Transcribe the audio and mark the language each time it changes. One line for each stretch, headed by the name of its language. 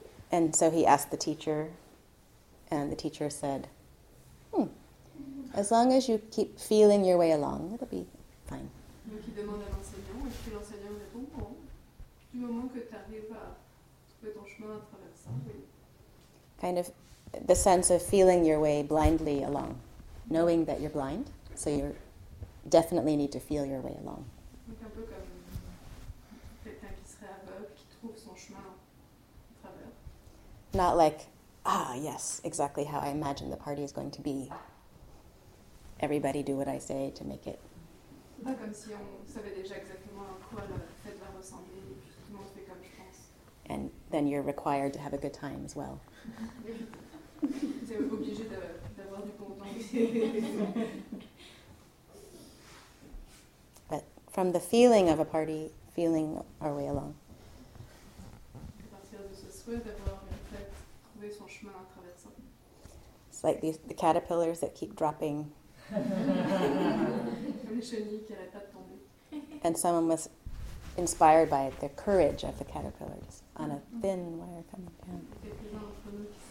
English: And so he asked the teacher, and the teacher said, as long as you keep feeling your way along, it'll be fine.
French: Donc il demande à l'enseignant, et puis l'enseignant répond, bon, du moment que tu arrives à trouver ton chemin à travers ça, oui.
English: Kind of the sense of feeling your way blindly along, knowing that you're blind, so you definitely need to feel your way along.
French: Donc un peu comme quelqu'un qui serait aveugle, qui trouve son chemin à travers.
English: Not like, yes, exactly how I imagine the party is going to be. Everybody do what I say to make it.
French: Pas comme si on savait déjà exactement à quoi la fête va ressembler, et tout le monde fait comme je pense.
English: And then you're required to have a good time as well.
French: Vous êtes obligé d'avoir du bon temps.
English: But from the feeling of a party, feeling our way along.
French: À partir de ce souhait d'avoir une fête, trouver son chemin à travers ça.
English: It's like the caterpillars that keep dropping. And someone was inspired by the courage of the caterpillars on a thin wire coming down.